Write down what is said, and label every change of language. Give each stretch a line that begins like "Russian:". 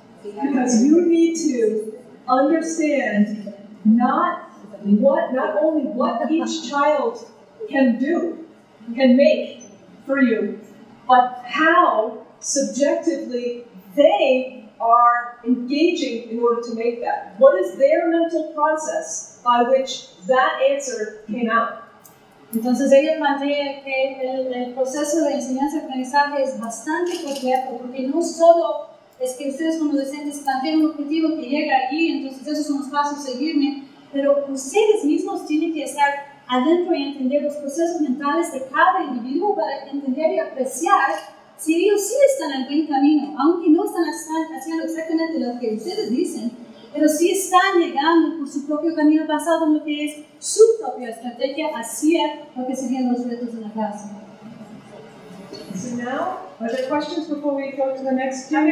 English: Because, you need to understand not only what each child can do, can make for you, but how subjectively they are engaging in order to make that. What is their mental process by which that answer came out?
Spanish: Entonces ella plantea que el proceso de enseñanza-aprendizaje es bastante complejo, porque no solo es que ustedes como docentes planteen un objetivo que llega allí, entonces esos son los pasos a seguirme, pero ustedes mismos tienen que estar adentro y entender los procesos mentales de cada individuo para entender y apreciar si ellos sí están en buen camino, aunque no están haciendo exactamente lo que ustedes dicen, pero sí están llegando por su propio camino basado en lo que es su propia estrategia hacia lo que serían los retos en la clase.
English: So now, are there questions before we go to the next